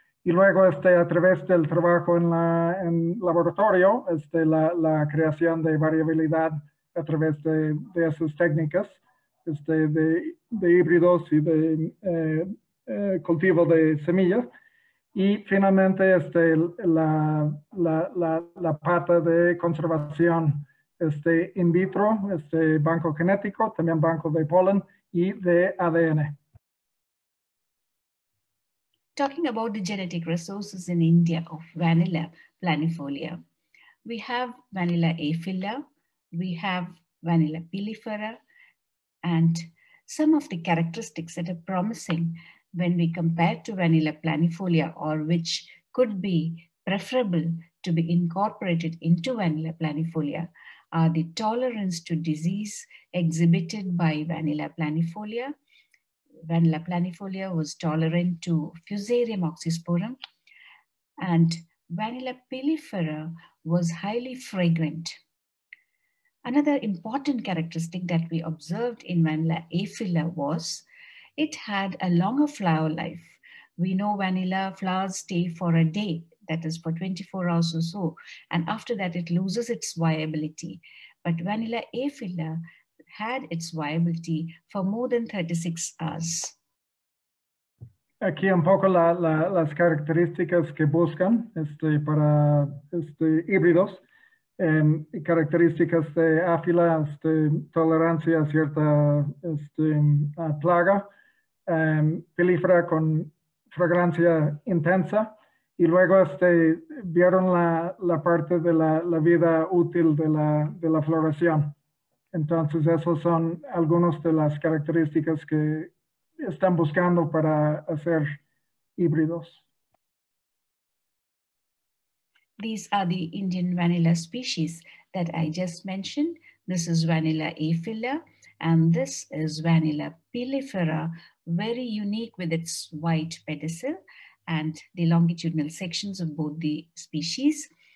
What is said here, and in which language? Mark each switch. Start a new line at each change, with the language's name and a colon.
Spanish: Y luego a través del trabajo en laboratorio, la creación de variabilidad a través de esas técnicas de híbridos y de cultivo de semillas. Y finalmente la pata de conservación in vitro, banco genético, también banco de polen y de ADN.
English: Talking about the genetic resources in India of vanilla planifolia, we have vanilla aphylla, we have vanilla pilifera, and some of the characteristics that are promising when we compare to vanilla planifolia or which could be preferable to be incorporated into vanilla planifolia are the tolerance to disease exhibited by vanilla planifolia. Vanilla planifolia was tolerant to Fusarium oxysporum and vanilla pilifera was highly fragrant. Another important characteristic that we observed in vanilla aphylla was it had a longer flower life. We know vanilla flowers stay for a day, that is for 24 hours or so. And after that, it loses its viability. But vanilla aphylla had its viability for more than 36 hours.
Spanish: aquí un poco las características que buscan para híbridos. Características de áfila, tolerancia a cierta a plaga, pilífera con fragancia intensa, y luego vieron la parte de la vida útil de la floración. Entonces, esos son algunas de las características que están buscando para hacer híbridos.
English: These are the Indian vanilla species that I just mentioned. This is vanilla aphylla, and this is vanilla pilifera, very unique with its white pedicel and the longitudinal sections of both the species.